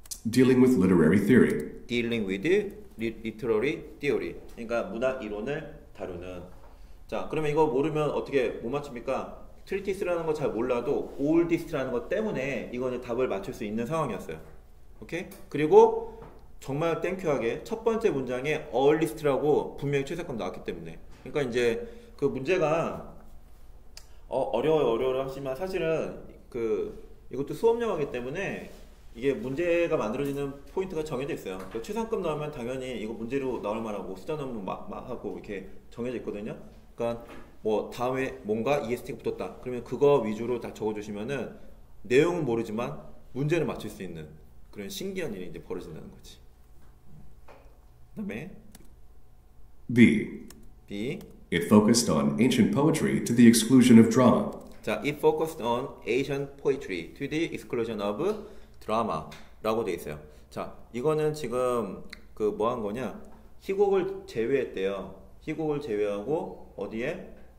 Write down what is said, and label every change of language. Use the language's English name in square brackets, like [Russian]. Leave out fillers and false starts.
[English] Dealing with literary theory. Dealing with literary theory. [Korean] 그러니까 문화 이론을 다루는. 자, 그러면 이거 모르면 어떻게 못 맞춥니까? 트리티스라는 거 잘 몰라도 올디스트라는 것 때문에 이거는 답을 맞출 수 있는 상황이었어요. 오케이? 그리고 정말 땡큐하게 첫 번째 문장에 얼리스트라고 분명히 최색감 나왔기 때문에. 그러니까 이제 그 문제가 어려워요 하지만 사실은 그 이것도 수업영화이기 때문에 이게 문제가 만들어지는 포인트가 정해져 있어요. 그러니까 최상급 나오면 당연히 이거 문제로 나올 만하고 숫자 넘으면 막 하고 이렇게 정해져 있거든요. 그러니까 뭐 다음에 뭔가 EST가 붙었다 그러면 그거 위주로 다 적어주시면은 내용은 모르지만 문제를 맞출 수 있는 그런 신기한 일이 이제 벌어진다는 거지. 그 다음에 [English] B. B. It focused on ancient poetry to the exclusion of drama. [Korean] 자, [English] it focused on ancient poetry to the exclusion of drama [Korean] 라고 되어 있어요. 자, 이거는 지금 그 뭐 한 거냐 희곡을 제외했대요. 희곡을 제외하고 어디에?